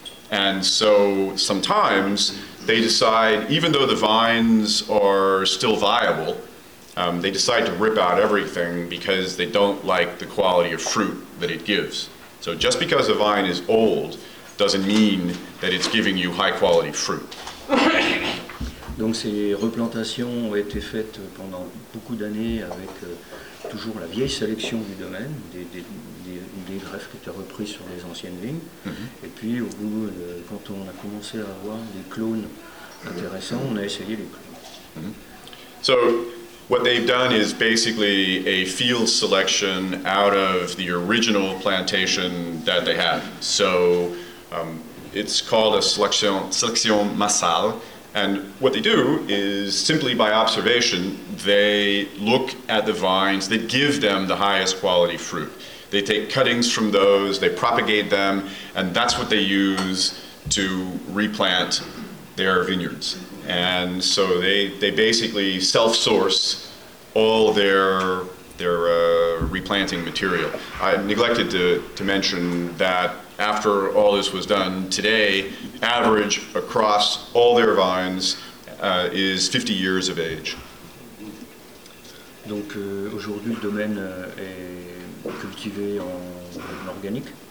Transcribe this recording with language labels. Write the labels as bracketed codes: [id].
[en] And so sometimes they decide, even though the vines are still viable, they decide to rip out everything because they don't like the quality of fruit that it gives. So just because a vine is old doesn't mean that it's giving you high quality fruit. [fr] Donc ces replantations ont été faites pendant beaucoup d'années avec toujours la vieille sélection du domaine, des greffes qui étaient reprises sur les anciennes vignes. Mm-hmm. Et puis au bout, quand on a commencé à avoir des clones intéressants, on a essayé les clones. Mm-hmm. [en] So what they've done is basically a field selection out of the original plantation that they had. So it's called a sélection massale. And what they do is simply by observation, they look at the vines that give them the highest quality fruit. They take cuttings from those, they propagate them, and that's what they use to replant their vineyards. And so they basically self-source all their replanting material. I neglected to mention that after all this was done, today, average across all their vines is 50 years of age. [fr] Donc aujourd'hui le domaine est cultivé en organique.